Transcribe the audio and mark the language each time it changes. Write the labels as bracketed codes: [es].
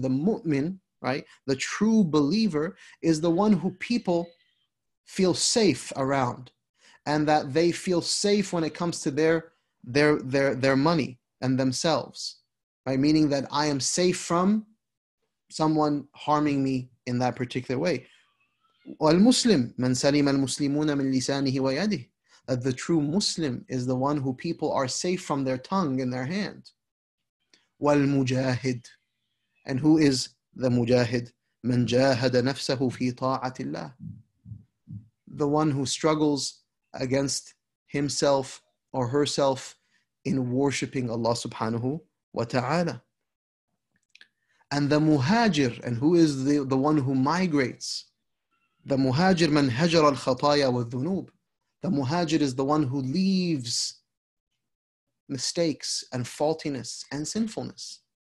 [en] The mu'min, right? The true believer is the one who people feel safe around, and that they feel safe when it comes to their money and themselves. Right? Meaning that I am safe from someone harming me in that particular way. [ar] والمسلم من سلم المسلمون من لسانه ويده. [en] That the true Muslim is the one who people are safe from their tongue and their hand. [ar] والمجاهد. [en] And who is the mujahid? [ar] من جاهد نفسه في طاعة الله. [en] The one who struggles against himself or herself in worshipping Allah subhanahu wa ta'ala. And the muhajir. And who is the one who migrates? The muhajir [ar] man hajar al-khataya wa-dhunub. [en] The muhajir is the one who leaves mistakes and faultiness and sinfulness.